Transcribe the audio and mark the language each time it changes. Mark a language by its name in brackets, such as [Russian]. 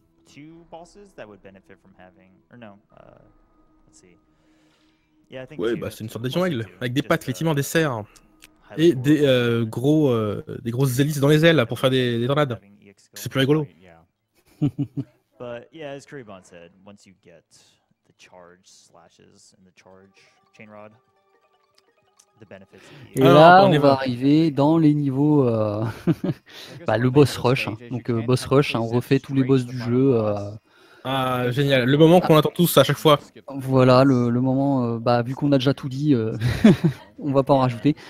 [English] Two bosses that would benefit from having, or no, let's see. Yeah, I think. [French] Ouais, bah c'est une sorte d'avion aigle, avec des pattes, effectivement, des serres et des gros, des grosses hélices dans les ailes pour faire des tornades. C'est plus rigolo. [English] But yeah, as Kuribon said, once you get the charge slashes and the charge chain rod, the benefits. [French] Et là, on va arriver dans les niveaux. Bah, le boss rush, hein. Donc boss rush, hein, on refait tous les boss du jeu. Ah, génial, le moment qu'on attend tous à chaque fois. Voilà, le moment, bah, vu qu'on a déjà tout dit, on va pas en rajouter.